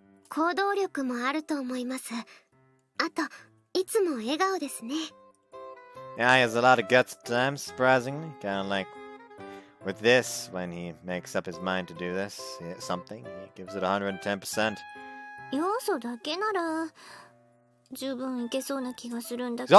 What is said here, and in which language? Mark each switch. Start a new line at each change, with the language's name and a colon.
Japanese: 行動力もあると思います。あと、いつも笑顔ですね。
English: Yeah, he has a lot of guts at times, surprisingly. Kind of like with this, when he makes up his mind to do this, something, he gives it 110%.
Japanese: 要素だけなら十分いけそうな気がするんだけど。